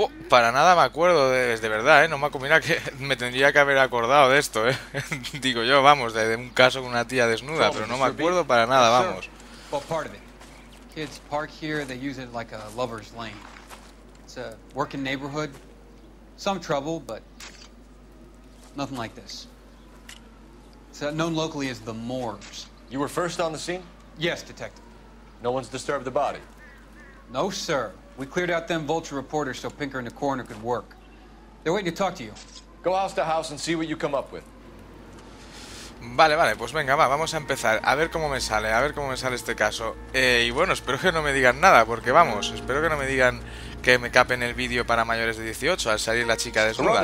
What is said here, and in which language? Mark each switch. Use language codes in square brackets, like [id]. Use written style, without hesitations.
[es] Para nada me acuerdo de verdad, no me acuerdo, que me tendría que haber acordado de esto, Digo yo, vamos, de un caso con una tía desnuda, pero no me acuerdo para nada, vamos. [en] Well, part of it. Kids park here, they use it like a lover's lane. It's a working neighborhood. Some trouble, but nothing like this. It's known locally as the Moors. You were first on the scene? Yes, detective. No one's disturbed the body? No, sir. We cleared out them vulture reporters so Pinker and the coroner could work. They're waiting to talk to you. Go house to house and see what you come up with. [es] Vale, vale, pues venga, va, vamos a empezar. A ver cómo me sale, a ver cómo me sale este caso. Y bueno, espero que no me digan nada, porque vamos, espero que no me digan que me capen el vídeo para mayores de 18 al salir la chica desnuda.